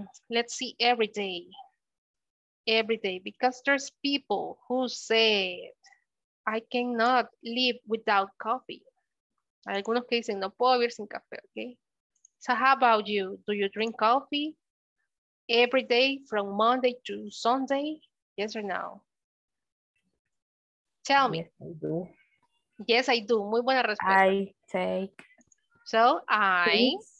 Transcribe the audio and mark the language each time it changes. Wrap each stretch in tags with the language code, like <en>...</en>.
<en>Let's see, every day. Every day, because there's people who said, I cannot live without coffee.</en> <es>Hay algunos que dicen, no puedo vivir sin café, okay?</es> <en>So how about you? Do you drink coffee every day from Monday to Sunday? Yes or no? Tell me. Yes, I do. Yes, I do.</en> <es>Muy buena respuesta.</es> <en>I take. So I...</en>